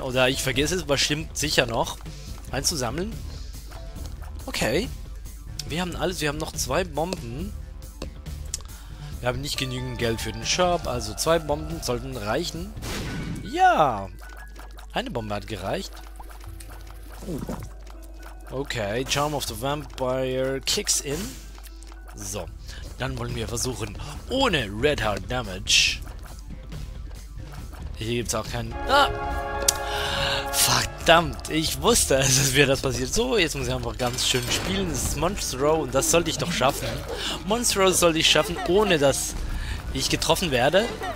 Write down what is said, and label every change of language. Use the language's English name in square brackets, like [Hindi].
[German] Oder ich vergesse es bestimmt sicher noch, einzusammeln. Okay. Wir haben alles, wir haben noch zwei Bomben. Wir haben nicht genügend Geld für den Shop, also zwei Bomben sollten reichen. Ja! Eine Bombe hat gereicht. [English] Okay, Charm of the Vampire kicks in. [German] So, dann wollen wir versuchen, ohne Red Heart Damage. Hier gibt es auch keinen... Ah! Verdammt, ich wusste, dass mir das passiert. So, jetzt muss ich einfach ganz schön spielen. Das ist Monstro und das sollte ich doch schaffen. Monstro sollte ich schaffen, ohne dass ich getroffen werde.